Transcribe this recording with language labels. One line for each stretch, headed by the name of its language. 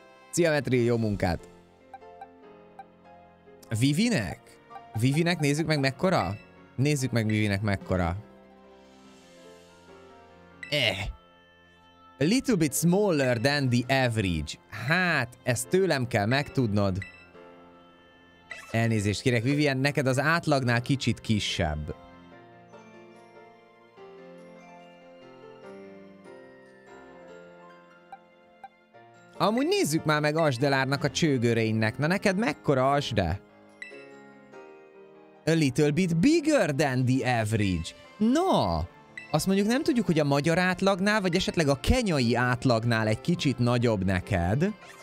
Hungarian: Szia, Metri, jó munkát! Vivinek? Vivinek nézzük meg mekkora? Nézzük meg Vivinek mekkora.
English: A little bit smaller than the average.
Hungarian: Hát, ezt tőlem kell megtudnod. Elnézést kérek, Vivien, neked az átlagnál kicsit kisebb. Amúgy nézzük már meg Asdelárnak a csőgöreinek. Na neked mekkora Asde?
English: A little bit bigger than the average.
Hungarian: No! Azt mondjuk nem tudjuk, hogy a magyar átlagnál, vagy esetleg a kenyai átlagnál egy kicsit nagyobb neked.